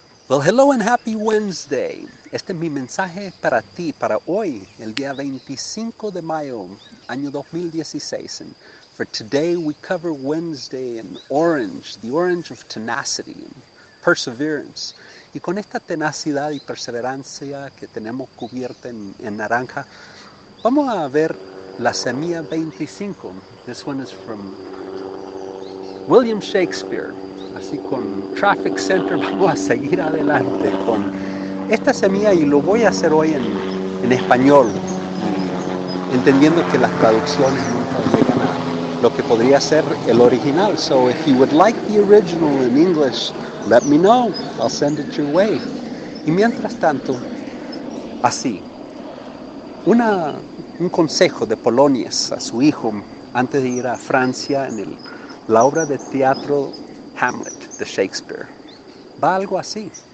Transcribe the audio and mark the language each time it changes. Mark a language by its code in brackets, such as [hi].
[en] Well, hello and happy Wednesday. [es] Este es mi mensaje para ti, para hoy, el día 25 de mayo, año 2016. [en] And for today, we cover Wednesday in orange, the orange of tenacity, and perseverance. [es] Y con esta tenacidad y perseverancia que tenemos cubierta en naranja, vamos a ver la semilla 25. [en] This one is from William Shakespeare. [es] Así con Traffic Center vamos a seguir adelante con esta semilla y lo voy a hacer hoy en español, entendiendo que las traducciones nunca llegan a lo que podría ser el original. [en] So if you would like the original in English, let me know. I'll send it your way. [es] Y mientras tanto, así, un consejo de Polonius a su hijo antes de ir a Francia en la obra de teatro Hamlet, de Shakespeare. Va algo así.